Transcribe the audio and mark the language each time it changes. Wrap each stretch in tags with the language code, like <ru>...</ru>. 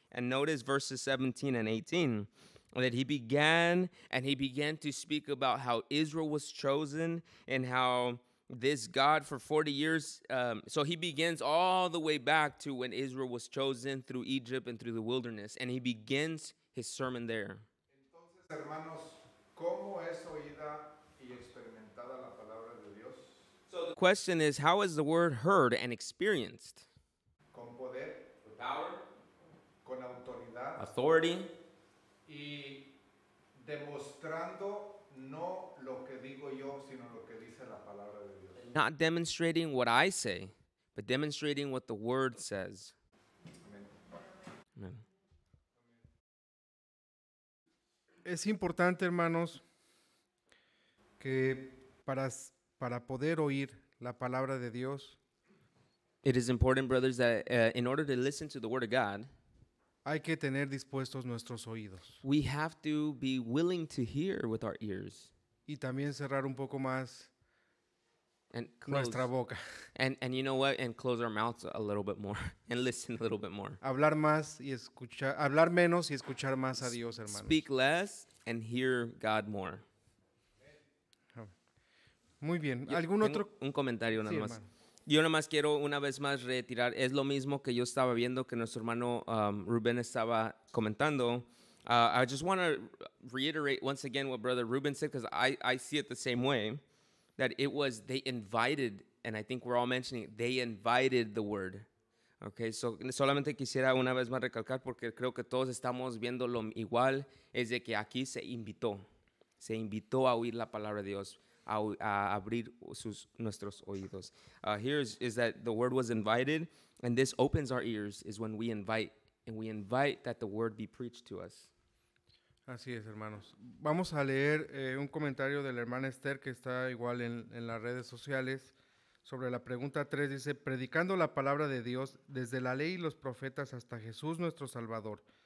<en>And notice verses 17 and 18, that he began to speak about how Israel was chosen and how this God for 40 years. So he begins all the way back to when Israel was chosen through Egypt and through the wilderness. And he begins his sermon there.</en> <es>Entonces, hermanos, ¿cómo es oída y experimentada la palabra de Dios?</es> <en>So the question is, how is the word heard and experienced?</en> <es>Con poder.</es> <en>With power.</en> <es>Con autoridad,</es> <en>authority,</en> <es>y demostrando no lo que digo yo, sino lo que dice la palabra de Dios.</es> <en>Not demonstrating what I say, but demonstrating what the word says.</en> <es>Amen. Es importante, hermanos, que para poder oír la palabra de Dios,</es> <en>it is important, brothers, that in order to listen to the word of God,</en> <es>hay que tener dispuestos nuestros oídos.</es> <en>We have to be willing to hear with our ears.</en> <es>Y también cerrar un poco más nuestra boca.</es> <en>And you know what? And close our mouths a little bit more and listen a little bit more.</en> <es>Hablar más y escuchar, hablar menos y escuchar más a Dios, hermanos.</es> <en>Speak less and hear God more.</en> <es>Muy bien. ¿Algún otro? Un comentario nada sí, más. Hermano. Yo nada más quiero una vez más retirar, es lo mismo que yo estaba viendo que nuestro hermano Rubén estaba comentando,</es> <en>I just want to reiterate once again what Brother Ruben said, because I see it the same way, that it was, they invited, and I think we're all mentioning it, they invited the word. Okay, so</en> <es>solamente quisiera una vez más recalcar, porque creo que todos estamos viendo lo igual, es de que aquí se invitó a oír la palabra de Dios, a abrir sus, nuestros oídos.</es> <en>Here is that the word was invited, and this opens our ears, is when we invite, and we invite that the word be preached to us.</en> <es>Así es, hermanos. Vamos a leer un comentario de la hermana Esther, que está igual en las redes sociales. Sobre la pregunta 3 dice, predicando la palabra de Dios desde la ley y los profetas hasta Jesús nuestro Salvador.</es>